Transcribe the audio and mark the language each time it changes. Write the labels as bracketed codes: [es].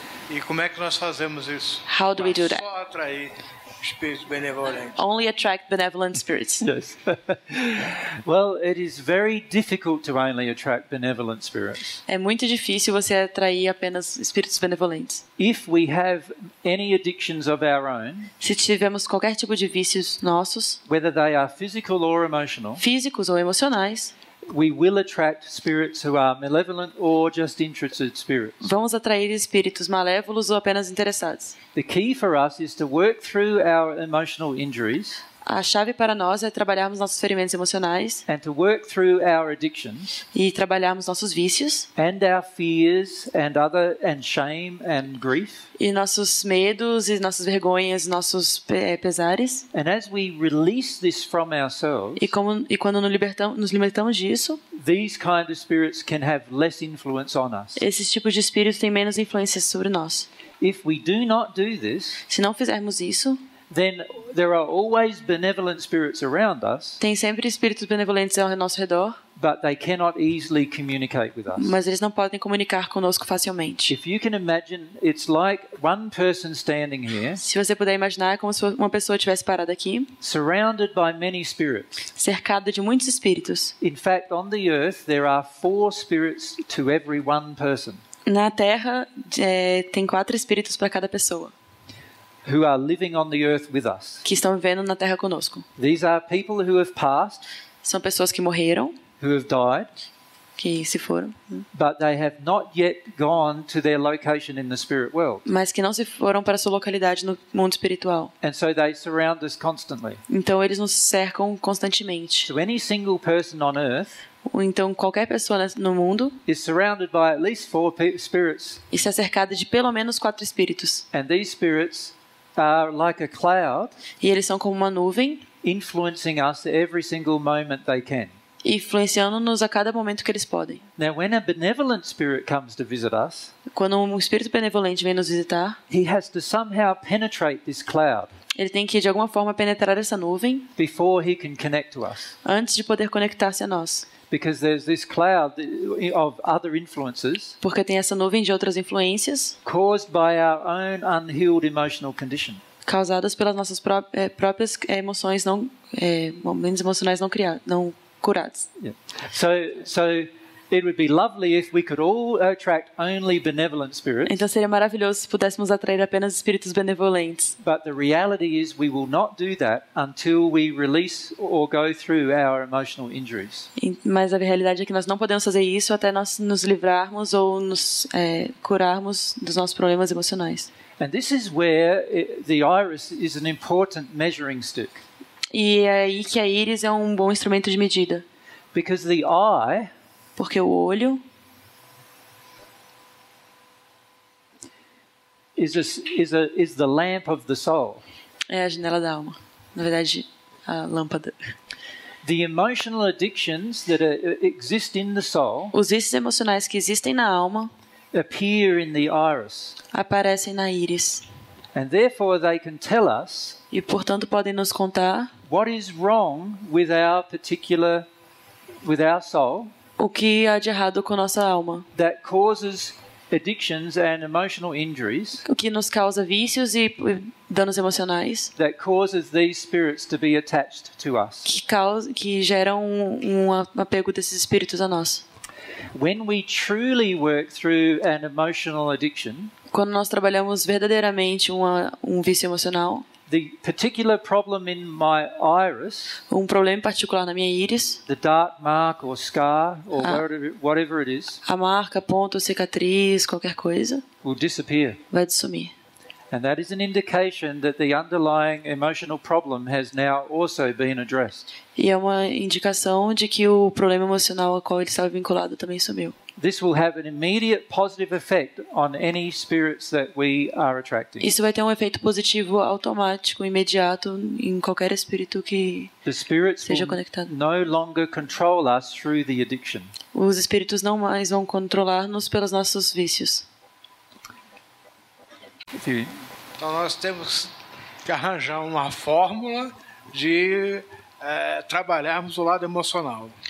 [pt] E como é que nós fazemos isso? [en] How do we do that? [pt] Só atrair espíritos benevolentes. [en] Only attract benevolent spirits. Yes. Well, it is very difficult to only attract benevolent spirits. [pt] É muito difícil você atrair apenas espíritos benevolentes. [en] If we have any addictions of our own, [pt] se tivermos qualquer tipo de vícios nossos, [en] whether they are physical or emotional, [pt] físicos ou emocionais, [en] we will attract spirits who are malevolent or just interested spirits. [pt] Vamos atrair espíritos malévolos ou apenas interessados. [en] The key for us is to work through our emotional injuries. [pt] A chave para nós é trabalharmos nossos ferimentos emocionais. [en] And to work through our addictions. [pt] E trabalharmos nossos vícios. [en] And our fears and other and shame and grief. [pt] E nossos medos e nossas vergonhas, nossos pesares. [en] And as we release this from ourselves. [pt] E quando nos libertamos disso. [en] These kind of spirits can have less influence on us. [pt] Esses tipos de espíritos têm menos influência sobre nós. [en] If we do not do this. [pt] Se não fizermos isso. [en] Then there are always benevolent spirits around us. [pt] Tem sempre espíritos benevolentes ao nosso redor. [en] But they cannot easily communicate with us. [pt] Mas eles não podem comunicar conosco facilmente. [en] If you can imagine, it's like one person standing here. [pt] Se você puder imaginar, é como se uma pessoa tivesse parado aqui. [en] Surrounded by many spirits. [pt] Cercada de muitos espíritos. [en] In fact, on the earth there are four spirits to every one person. [pt] Na Terra, tem quatro espíritos para cada pessoa. [en] Who are living on the earth with us. [pt] Que estão vivendo na Terra conosco. [en] These are people who have passed. [pt] São pessoas que morreram. [en] Who have died. [pt] Que se foram. [en] But they have not yet gone to their location in the spirit world. [pt] Mas que não se foram para sua localidade no mundo espiritual. [en] And so they surround us constantly. [pt] Então eles nos cercam constantemente. [en] So any single person on earth. [pt] Então qualquer pessoa no mundo [en] is surrounded by at least four spirits. [pt] Está cercada de pelo menos quatro espíritos. [en] And these spirits are like a cloud. [pt] E eles são como uma nuvem [en] influencing us every single moment they can. [pt] influenciando-nos a cada momento que eles podem. [en] Now, when a benevolent spirit comes to visit us, [pt] quando um espírito benevolente vem nos visitar, [en] he has to somehow penetrate this cloud. [pt] Ele tem que de alguma forma penetrar essa nuvem. [en] Before he can connect to us. [pt] Antes de poder conectar-se a nós. [en] Because there's this cloud of other influences. [pt] Porque tem essa nuvem de outras influências. [en] Caused by our own unhealed emotional condition. [pt] Causadas pelas nossas próprias emoções não momentos emocionais não criados, não curados. [en] Yeah. So it would be lovely if we could all attract only benevolent spirits. [pt] Então seria maravilhoso se pudéssemos atrair apenas espíritos benevolentes. [en] But the reality is we will not do that until we release or go through our emotional injuries. [pt] Mas a realidade é que nós não podemos fazer isso até nós nos livrarmos ou nos curarmos dos nossos problemas emocionais. [en] And this is where the iris is an important measuring stick. [pt] E é aí que a íris é um bom instrumento de medida. [en] Because the eye, [pt] porque o olho, [en] is the lamp of the soul. [pt] É a janela da alma. Na verdade, a lâmpada. [en] The emotional addictions that exist in the soul. [pt] Os vícios emocionais que existem na alma. [en] Appear in the iris. [pt] Aparecem na íris. [en] And therefore they can tell us. [pt] E portanto podem nos contar. [en] What is wrong with our particular, with our soul? [pt] O que há de errado com nossa alma? [en] That causes addictions and emotional injuries. [pt] O que nos causa vícios e danos emocionais? [en] That causes these spirits to be attached to us. [pt] Que geram um apego desses espíritos a nós. [en] When we truly work through an emotional addiction, [pt] quando nós trabalhamos verdadeiramente um vício emocional, [en] the particular problem in my iris, [pt] um problema particular na minha íris, [en] the dark mark or scar or whatever it is, [pt] a marca, ponto, cicatriz, qualquer coisa, [en] will disappear. [pt] Vai sumir. [en] And that is an indication that the underlying emotional problem has now also been addressed. [pt] E é uma indicação de que o problema emocional ao qual ele estava vinculado também sumiu. [en] This will have an immediate positive effect on any spirits that we are attracting. [pt] Isso vai ter um efeito positivo automático, imediato em qualquer espírito que seja conectado. [en] No longer control us through the addiction. [pt] Os espíritos não mais vão controlar-nos pelos nossos vícios. Então nós temos que arranjar uma fórmula de trabalharmos o lado emocional.